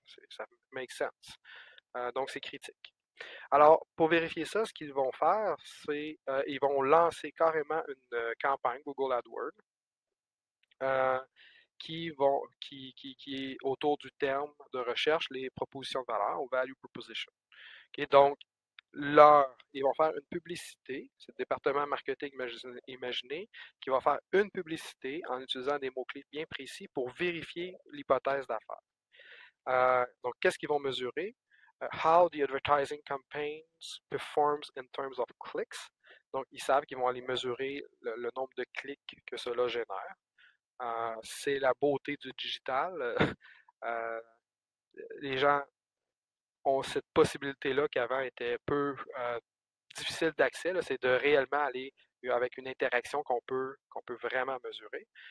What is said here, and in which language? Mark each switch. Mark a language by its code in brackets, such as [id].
[fr] Ça [en] make sense. [fr] Donc, c'est critique. Alors, pour vérifier ça, ce qu'ils vont faire, c'est ils vont lancer carrément une campagne Google AdWords qui est autour du terme de recherche, les propositions de valeur, ou value proposition. Et donc, là, ils vont faire une publicité, c'est le département marketing imaginé, qui va faire une publicité en utilisant des mots-clés bien précis pour vérifier l'hypothèse d'affaires. Donc, qu'est-ce qu'ils vont mesurer? [en] How the advertising campaigns performs in terms of clicks. [fr] Donc, ils savent qu'ils vont aller mesurer le nombre de clics que cela génère. C'est la beauté du digital. Les gens ont cette possibilité-là qui avant était peu difficile d'accès, là, c'est de réellement aller avec une interaction qu'on peut vraiment mesurer.